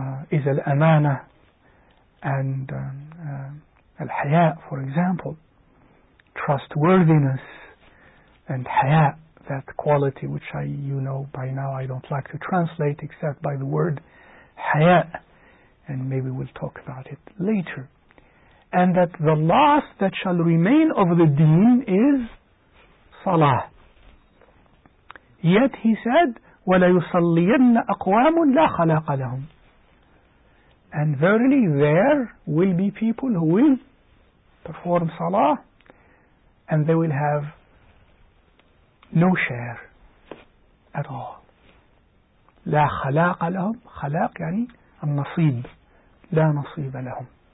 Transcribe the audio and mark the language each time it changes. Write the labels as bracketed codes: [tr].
[en] is al-amana and al-haya, for example, trustworthiness and haya, that quality which I, you know by now, I don't like to translate except by the word haya. And maybe we'll talk about it later. And that the last that shall remain of the deen is salah. Yet he said, [ar] وَلَيُصَلِّيَنَّ أَقْوَامٌ لَا خَلَاقَ لَهُمْ. [en] And verily there will be people who will perform salah, and they will have no share at all. [ar] لَا خَلَاقَ لَهُمْ. خَلَاق يعني النصيب. لا نصيب لهم.